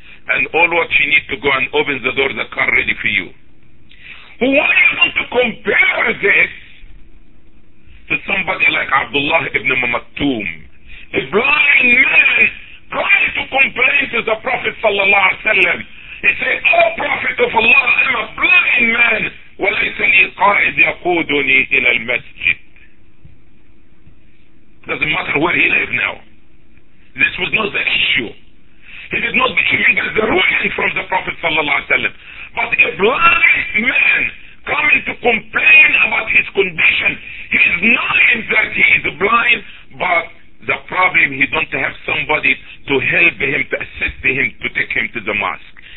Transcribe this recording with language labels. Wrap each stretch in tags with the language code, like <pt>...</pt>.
<en>And all what you need to go and open the door, the car ready for you. Why do you want to compare this to somebody like Abdullah ibn Maktoum, a blind man, trying to complain to the Prophet sallallahu alaihi wasallam. He said, "Oh Prophet of Allah, I'm a blind man.</en> <ar>وليس لي قائد يقودني إلى المسجد."</ar> <en>Doesn't matter where he lives now. This was not the issue. He did not bring the ruin from the Prophet sallallahu alaihi wasallam. But a blind man coming to complain about his condition, he is knowing that he is blind, but the problem, he don't have somebody to help him, to assist him, to take him to the mosque.</en>